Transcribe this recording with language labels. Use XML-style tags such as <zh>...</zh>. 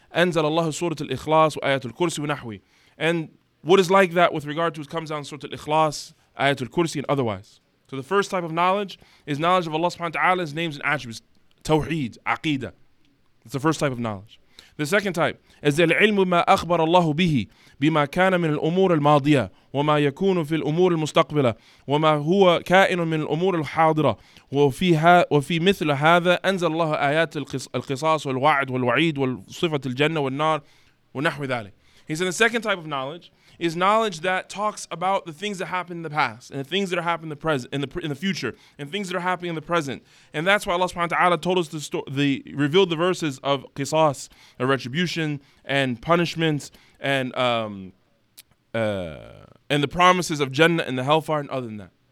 <ar>أنزل الله سورة الإخلاص وآيات الكرسي ونحوي.</ar> <en>And what is like that with regard to what comes down Surah Al-Ikhlas, Ayat Al-Kursi, and otherwise? So the first type of knowledge is knowledge of Allah subhanahu wa ta'ala's names and attributes. Tawheed, Aqeedah. That's the first type of knowledge. The second type is the</en> <ar>العلم ما أخبر الله به بما كان من الأمور الماضية وما يكون في الأمور المستقبلة وما هو كائن من الأمور الحاضرة وفي مثل هذا أنزل الله آيات القصاص والوعد والوعيد والصفة الجنة والنار ونحو ذلك.</ar> <en>He said the second type of knowledge is knowledge that talks about the things that happened in the past and the things that are happening in the present, in the future, and things that are happening in the present. And that's why Allah subhanahu wa ta'ala told us revealed the verses of qisas, of retribution and punishments and the promises of Jannah and the hellfire and other than that.</en>